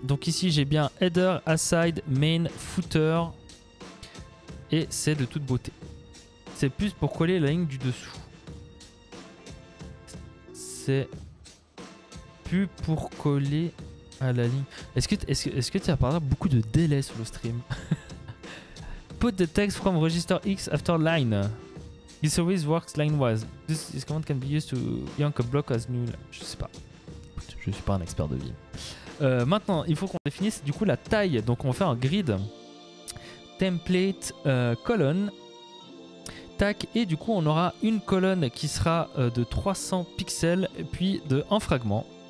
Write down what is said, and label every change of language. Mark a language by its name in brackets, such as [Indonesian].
[French] Donc ici j'ai bien header, aside, main, footer et c'est de toute beauté. C'est plus pour coller la ligne du dessous. C'est plus pour coller à la ligne. Est-ce que tu as parlé beaucoup de délai sur le stream? [English] Put the text from register X after line. This always works line-wise. This command can be used to yank a block as null. [French] Je sais pas. Je suis pas un expert de vie. Maintenant, il faut qu'on définisse du coup la taille. Donc on fait un grid. Template colon. Et du coup on aura une colonne qui sera de 300 pixels puis de un fragment.